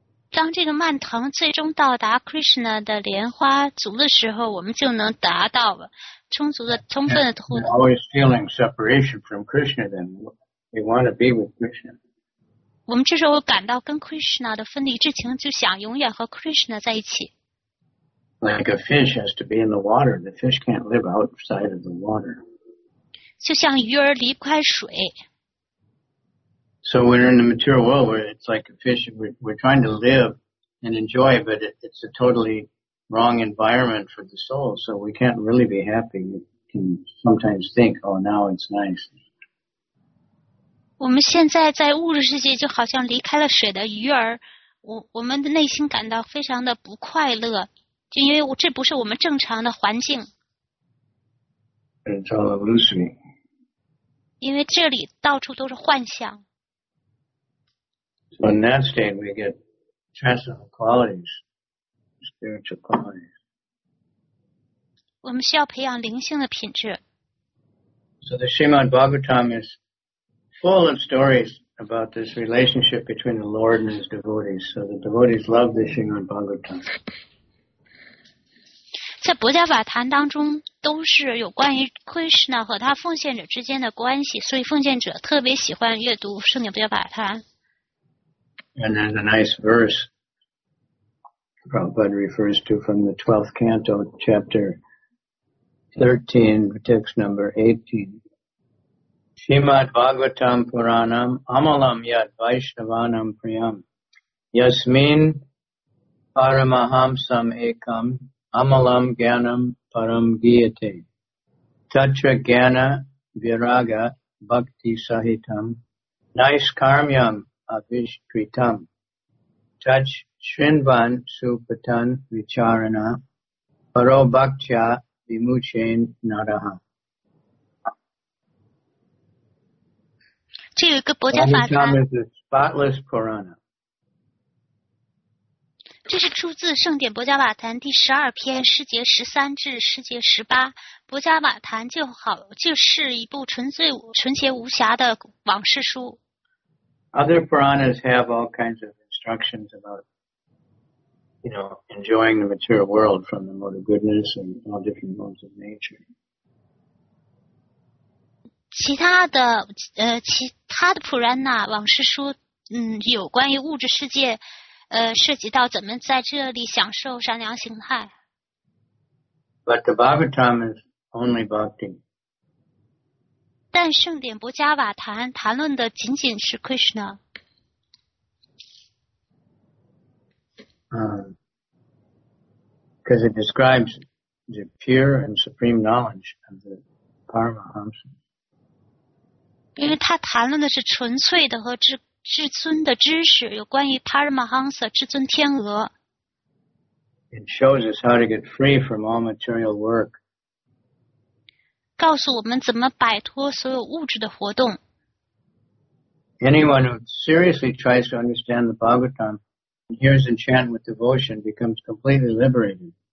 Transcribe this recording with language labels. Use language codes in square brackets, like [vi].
[zh] 当这个蔓藤最终到达 Krishna 的莲花足的时候，我们就能达到了充足的、充分的通。 [en] We're always feeling separation from Krishna, then we want to be with Krishna. [zh] 我们这时候感到跟 Krishna 的分离之情，就想永远和 Krishna 在一起。 [en] Like a fish has to be in the water, the fish can't live outside of the water. [zh] 就像鱼儿离不开水。 [en] So we're in the material world where it's like a fish. We're trying to live and enjoy, but it's a totally wrong environment for the soul. So we can't really be happy. We can sometimes think, oh, now it's nice. [zh] 我们现在在物质世界就好像离开了水的鱼儿，我们的内心感到非常的不快乐，就因为这不是我们正常的环境。 [en] It's all illusory. [zh] 因为这里到处都是幻象。 [en] So in that state, we get transcendental qualities, spiritual qualities. [zh] 我们需要培养灵性的品质。 [en] So the Srimad Bhagavatam is full of stories about this relationship between the Lord and his devotees. So the devotees love the Srimad Bhagavatam. [zh] 在博伽瓦坛当中都是有关于 Krishna 和他奉献者之间的关系，所以奉献者特别喜欢阅读圣经博伽瓦坛。 [en] And there's a nice verse Prabhupada refers to from the 12th canto, chapter 13, text number 18. [sa] Shrimad Bhagavatam Puranam Amalam Yad Vaishnavanam Priyam Yasmin Paramahamsam Ekam. Amalam Ganam Param Giyate Tatra Gana Viraga Bhakti Sahitam Naiskarmyam Avishkritam Tach Shrinvan Supatan Vicharana Paro Bhaktya Vimuchen Naraha [zh] 这有一个博伽法坛 [en] is a spotless Purana. [zh] 这是出自圣典博伽瓦坛第十二篇十节十三至十节十八。博伽瓦坛就是一部纯洁无瑕的往事书。 [en] Other Puranas have all kinds of instructions about, you know, enjoying the material world from the mode of goodness and all different modes of nature. [zh] 其他的普兰纳往事书，有关于物质世界。涉及到怎么在这里享受善良形态。 [en] But the Bhagavatam is only bhakti. [zh] 但圣典博伽瓦坛谈论的仅仅是 Krishna. [en] Because it describes the pure and supreme knowledge of the Paramahamsa. [zh] 因为他谈论的是纯粹的和至尊的知识，有关于 Paramahamsa 至尊天鹅。 [en] It shows us how to get free from all material work. [zh] 告诉我们怎么摆脱所有物质的活动。 [en] Anyone who seriously tries to understand the Bhagavatam and hears and chant with devotion becomes completely liberated.